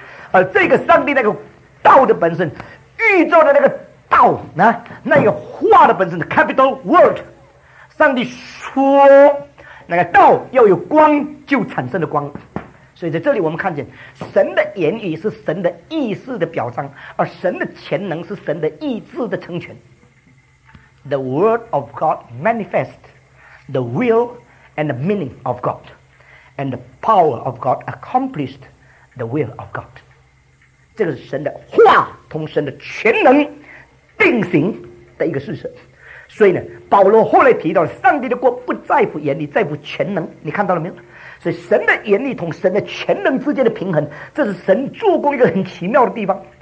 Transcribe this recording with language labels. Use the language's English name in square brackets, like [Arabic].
[Chinese] 而这个上帝那个道的本身，宇宙的那个道啊，那个话的本身的 capital word， 上帝说那个道要有光，就产生了光。所以在这里我们看见神的言语是神的意识的表彰，而神的潜能是神的意志的成全。 [English] The word of God manifest the will and the meaning of God and the power of God accomplished the will of God。 [Chinese] 这个是神的话同神的潜能定型的一个事实。所以呢，保罗后来提到上帝的国不在乎言语，在乎潜能，你看到了没有？所以神的言语同神的全能之间的平衡，这是神做工一个很奇妙的地方。